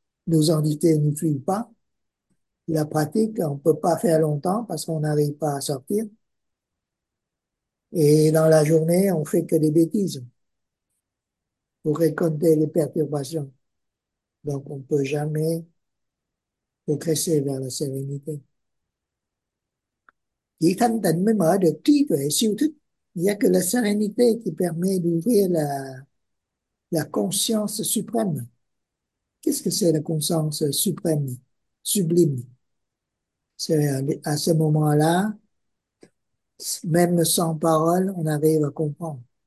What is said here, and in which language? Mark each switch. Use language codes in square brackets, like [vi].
[fr] Nos entités ne fuient pas. La pratique, on ne peut pas faire longtemps parce qu'on n'arrive pas à sortir. Et dans la journée, on fait que des bêtises pour récolter les perturbations. Donc, on ne peut jamais progresser vers la sérénité. [vi] Chỉ thanh tịnh mới mở được trí tuệ siêu thức. [fr] Il n'y a que la sérénité qui permet d'ouvrir la conscience suprême. Qu'est-ce que c'est la conscience suprême, sublime? C'est à ce moment-là, même sans parole, on arrive à comprendre.